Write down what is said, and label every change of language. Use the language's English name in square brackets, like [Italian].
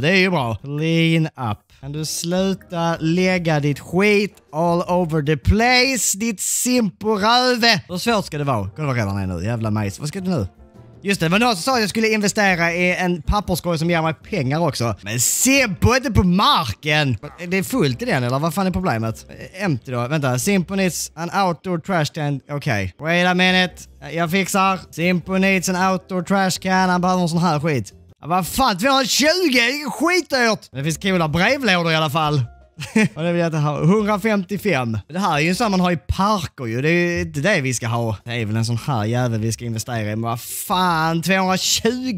[Swedish] Det är ju bra. Clean up. Kan du sluta lägga ditt skit [English] all over the place, [Swedish] ditt Simpo röve? Hur svårt ska det vara? Kolla vad redan är nu, jävla majs. Vad ska du nu? Just det, var någon som sa att jag skulle investera i en papperskorg som ger mig pengar också. Men Simpo är inte på marken! Det är fullt i den eller? Vad fan är problemet? Empty då, vänta. [English] Simpo needs an outdoor trash can. [Swedish] Okej. [English] Okay. Wait a minute. [Swedish] Jag fixar. [English] Simpo needs an outdoor trash can. [Swedish] Han behöver en sån här skit. Ja, vad fan, 220, skitört. Men det finns coola brevlådor i alla fall. Och det vill jag inte ha, 155. Det här är ju en sån man har i parker ju. Det är ju inte det vi ska ha. Det är väl en sån här jävel vi ska investera i. Men vad fan, 220.